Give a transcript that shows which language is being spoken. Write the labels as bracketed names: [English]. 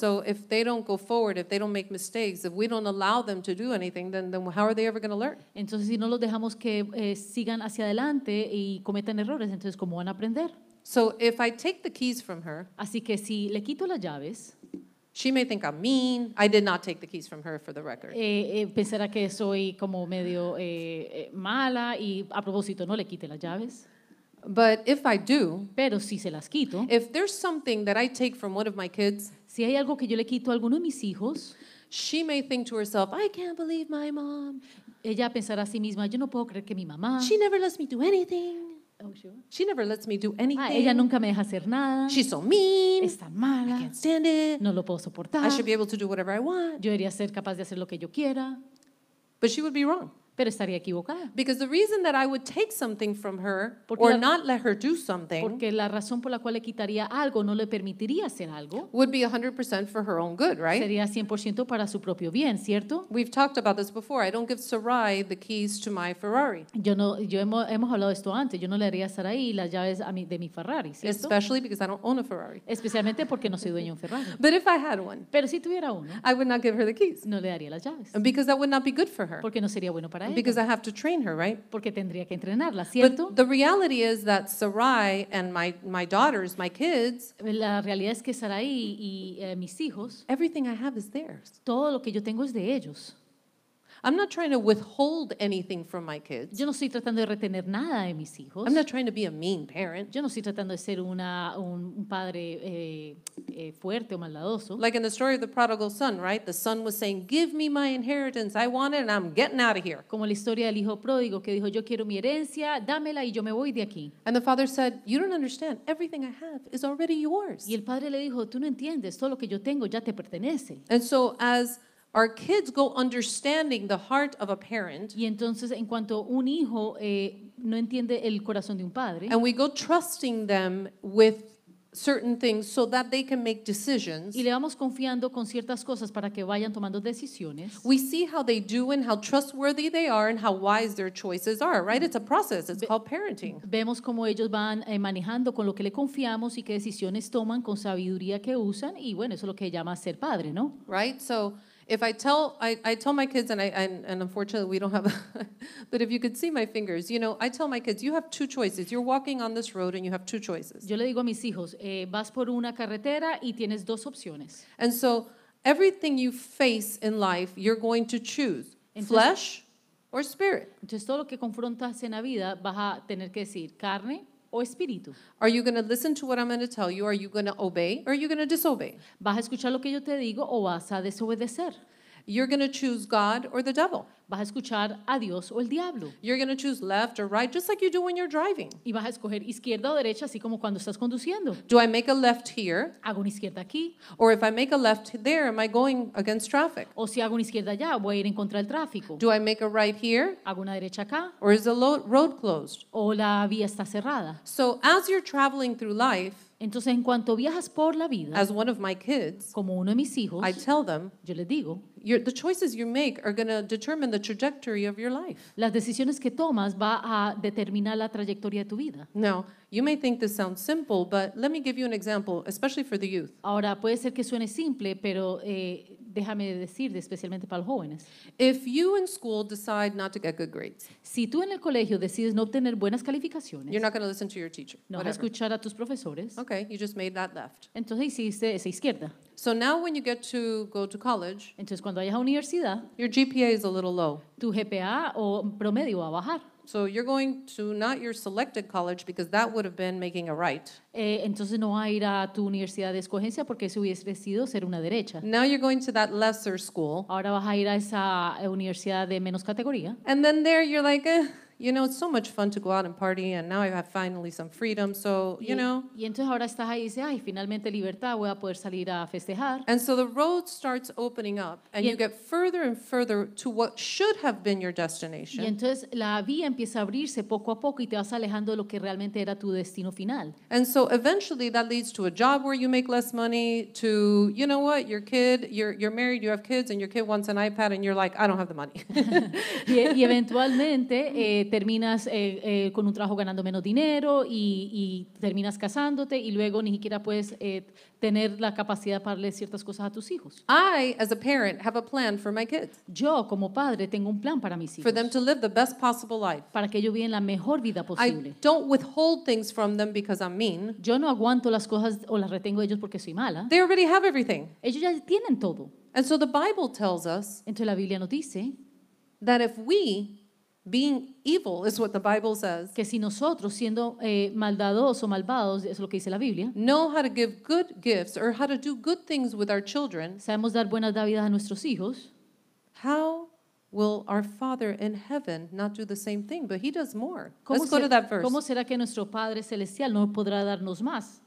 [English] So if they don't go forward, if they don't make mistakes, if we don't allow them to do anything, then how are they ever going to learn? [Spanish] Entonces, si no los dejamos que sigan hacia adelante y cometan errores, entonces, ¿cómo van a aprender? [English] So if I take the keys from her, [Spanish] así que si le quito las llaves, [English] she may think I'm mean. I did not take the keys from her, for the record. [Spanish] Pensará que soy como medio mala y a propósito no le quite las llaves. [English] But if I do, [Spanish] pero si se las quito, [English] if there's something that I take from one of my kids, [Spanish] si hay algo que yo le quito a alguno de mis hijos, [English] she may think to herself, I can't believe my mom. [Spanish] Ella pensará a sí misma, yo no puedo creer que mi mamá. [English] She never lets me do anything. She never lets me do anything. [Spanish] Ella nunca me deja hacer nada. [English] She's so mean. [Spanish] Está mala. [English] I can't stand it. [Spanish] No lo puedo soportar. [English] I should be able to do whatever I want. [Spanish] Yo debería ser capaz de hacer lo que yo quiera. [English] But she would be wrong. [Spanish] Pero estaría equivocada. [English] Because the reason that I would take something from her [Spanish] porque [English] or not let her do something, [Spanish] porque la razón por la cual le quitaría algo, no le permitiría hacer algo, [English] would be 100% for her own good, right? [Spanish] Sería 100% para su propio bien, ¿cierto? [English] We've talked about this before. I don't give Sarai the keys to my Ferrari. [Spanish] Hemos hablado esto antes. Yo no le daría a Sarai las llaves de mi Ferrari, ¿cierto? [English] Especially because I don't own a Ferrari. [Spanish] Especialmente porque no soy dueño de un Ferrari. [English] But if I had one, [Spanish] pero si tuviera uno, [English] I would not give her the keys. [Spanish] No le daría las llaves. [English] Because that would not be good for her. [Spanish] Porque no sería bueno. [English] Because I have to train her, right? [Spanish] Porque tendría que entrenarla, ¿cierto? [English] But the reality is that Sarai and my daughters, my kids, [Spanish] la realidad es que Sarai y mis hijos, [English] everything I have is theirs. [Spanish] Todo lo que yo tengo es de ellos. [English] I'm not trying to withhold anything from my kids. [Spanish] Yo no estoy tratando de retener nada de mis hijos. [English] I'm not trying to be a mean parent. [Spanish] Yo no estoy tratando de ser un padre fuerte o maldadoso. [English] Like in the story of the prodigal son, right? The son was saying, "Give me my inheritance. I want it and I'm getting out of here." [Spanish] Como la historia del hijo pródigo que dijo, "Yo quiero mi herencia, dámela y yo me voy de aquí." [English] And the father said, "You don't understand. Everything I have is already yours." [Spanish] Y el padre le dijo, "Tú no entiendes, todo lo que yo tengo ya te pertenece." [English] And so as Our kids go understanding the heart of a parent. [Spanish] Y entonces, en cuanto un hijo no entiende el corazón de un padre. [English] And we go trusting them with certain things so that they can make decisions. [Spanish] Y le vamos confiando con ciertas cosas para que vayan tomando decisiones. [English] We see how they do and how trustworthy they are and how wise their choices are, right? It's a process. It's called parenting. [Spanish] Vemos cómo ellos van manejando con lo que le confiamos y qué decisiones toman con sabiduría que usan y bueno, eso es lo que llama ser padre, ¿no? [English] Right? So if I tell my kids, and unfortunately we don't have, but if you could see my fingers, you know, I tell my kids, you have two choices. You're walking on this road and you have two choices. [Spanish] Yo le digo a mis hijos, vas por una carretera y tienes dos opciones. [English] And so everything you face in life, you're going to choose, [Spanish] entonces, [English] flesh or spirit. [Spanish] Entonces todo lo que confrontas en la vida vas a tener que decir carne. [English] Are you going to listen to what I'm going to tell you? Are you going to obey or are you going to disobey? [Spanish] ¿Vas a escuchar lo que yo te digo o vas a desobedecer? [English] You're going to choose God or the devil. [Spanish] ¿Vas a escuchar a Dios o el diablo? [English] You're going to choose left or right, just like you do when you're driving. [Spanish] ¿Y vas a escoger izquierda o derecha, así como cuando estás conduciendo? [English] Do I make a left here? [Spanish] ¿Hago una izquierda aquí? [English] Or if I make a left there, am I going against traffic? [Spanish] ¿O si hago una izquierda allá, voy a ir en contra del tráfico? [English] Do I make a right here? [Spanish] ¿Hago una derecha acá? [English] Or is the road closed? [Spanish] ¿O la vía está cerrada? [English] So as you're traveling through life, [Spanish] entonces, en cuanto viajas por la vida, [English] as one of my kids, [Spanish] como uno de mis hijos, [English] I tell them, [Spanish] yo les digo, [English] the choices you make are going to determine the trajectory of your life. [Spanish] Las decisiones que tomas va a determinar la trayectoria de tu vida. [English] Now, you may think this sounds simple, but let me give you an example, especially for the youth. [Spanish] Ahora, puede ser que suene simple, pero déjame decirte, especialmente para los jóvenes. [English] If you in school decide not to get good grades, [Spanish] si tú en el colegio decides no obtener buenas calificaciones, [English] you're not going to listen to your teacher. [Spanish] No vas a escuchar a tus profesores. [English] Okay, you just made that left. [Spanish] Entonces hiciste esa izquierda. [English] So now when you get to go to college, [Spanish] entonces cuando vayas a universidad, [English] your GPA is a little low. [Spanish] Tu GPA o promedio va a bajar. [English] So you're going to not your selected college because that would have been making a right. [Spanish] Entonces no va a ir a tu universidad de escogencia porque eso hubiese decidido ser una derecha. [English] Now you're going to that lesser school. [Spanish] Ahora vas a ir a esa universidad de menos categoría. [English] And then there you're like, you know, it's so much fun to go out and party and now I have finally some freedom, so, you know. [Spanish] Y entonces ahora estás ahí y dices, ay, finalmente libertad, voy a poder salir a festejar. [English] And so the road starts opening up and you get further and further to what should have been your destination. [Spanish] Y entonces la vía empieza a abrirse poco a poco y te vas alejando de lo que realmente era tu destino final. [English] And so eventually that leads to a job where you make less money to, you know what, your kid, you're married, you have kids and your kid wants an iPad and you're like, I don't have the money. [Spanish] Y eventualmente terminas con un trabajo ganando menos dinero y terminas casándote y luego ni siquiera puedes tener la capacidad para darle ciertas cosas a tus hijos. [English] I, as a parent, have a plan for my kids. [Spanish] Yo, como padre, tengo un plan para mis hijos. [English] For them to live the best possible life. [Spanish] Para que ellos vivan la mejor vida posible. [English] I don't withhold things from them because I'm mean. [Spanish] Yo no aguanto las cosas o las retengo de ellos porque soy mala. [English] They already have everything. [Spanish] Ellos ya tienen todo. [English] And so the Bible tells us, [Spanish] entonces la Biblia nos dice, [English] that if we, being evil is what the Bible says. [Spanish] Que si nosotros siendo maldadosos o malvados, es lo que dice la Biblia. [English] Know how to give good gifts or how to do good things with our children. [Spanish] Sabemos dar buenas dádivas a nuestros hijos. [English] How will our Father in heaven not do the same thing, but he does more? Let's go to that verse. [Spanish] ¿Cómo será que nuestro Padre celestial no podrá darnos más?